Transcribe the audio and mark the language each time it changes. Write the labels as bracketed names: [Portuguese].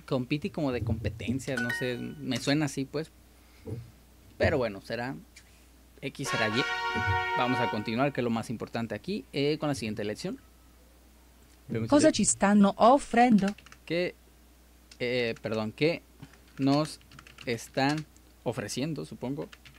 [Spanish] Compiti como de competencia, no sé, me suena así pues. Pero bueno, será X será Y. Vamos a continuar, que es lo más importante aquí, con la siguiente lección. [Italian] Cosa ci stanno offrendo? [Spanish] Que, perdón, ¿qué nos están ofreciendo, supongo?